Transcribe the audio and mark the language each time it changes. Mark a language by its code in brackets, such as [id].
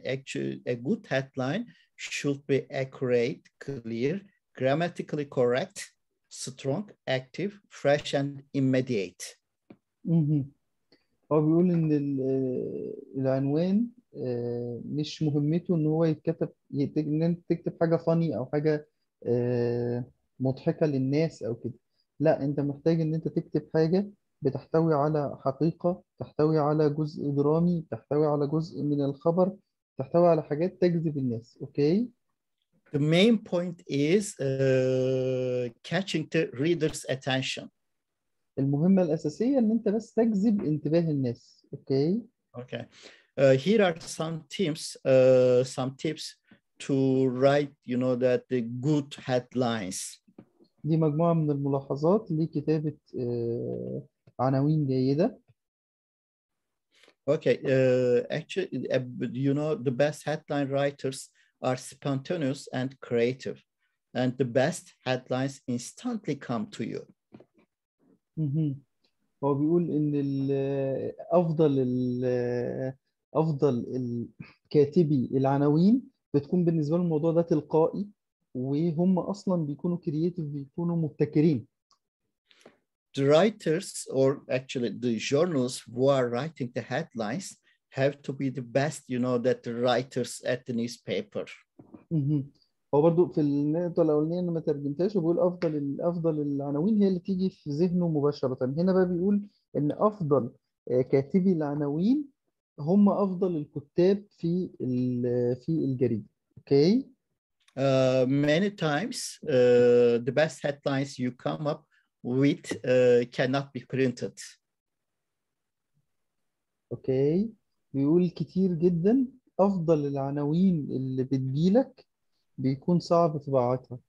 [en] Actually, a good headline should be accurate, clear, grammatically correct, strong, active, fresh and immediate. [ar] هو بيقول إن العنوان مش مهمته إن هو يتكتب، إن أنت تكتب حاجة فاني أو حاجة مضحكة للناس أو كده، لا، أنت محتاج إن أنت تكتب حاجة بتحتوي على حقيقة، تحتوي على جزء درامي، تحتوي على جزء من الخبر، تحتوي على حاجات تجذب الناس. أوكي. [en] The main point is catching the reader's attention. [ar] المهمة الأساسية إن أنت بس تجذب انتباه الناس، أوكي؟ [en] Okay. Here are some tips, some tips to write, you know, that the good headlines. [ar] دي مجموعة من الملاحظات لكتابة عناوين جيدة. [en] Okay, actually, you know, the best headline writers are spontaneous and creative, and the best headlines instantly come to you. [ar] هو بيقول إن أفضل أفضل كاتبي العناوين بتكون بالنسبة للموضوع ده تلقائي، وهم أصلاً بيكونوا كرياتيف، بيكونوا مبتكرين. [en] The writers, or actually the journals who are writing the headlines, have to be the best, you know, that the writers at the newspaper. [ar] هو برضو في النقطة الأولانية أنا ما ترجمتهاش، وبيقول أفضل العناوين هي اللي تيجي في ذهنه مباشرة. هنا بقى بيقول إن أفضل كاتبي العناوين هم أفضل الكتاب في الجريدة، أوكي؟ [en] Many times, the best headlines you come up with cannot be printed. [ar] أوكي، بيقول كتير جدا أفضل العناوين اللي بتجيلك بيكون صعب طباعتها.